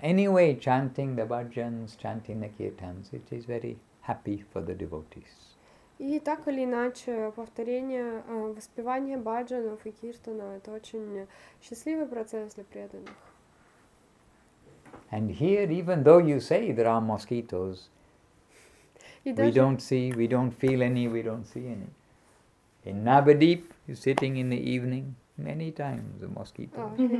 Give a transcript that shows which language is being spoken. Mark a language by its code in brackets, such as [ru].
[en] Anyway, chanting the bhajans, chanting the kirtans, it is very happy for the devotees. [ru] И так или иначе, повторение, воспевание бхаджанов и киртана — это очень счастливый процесс для преданных. [en] And here, even though you say there are mosquitoes, we don't feel any. In Navadeep, you're sitting in the evening, many times the mosquitoes.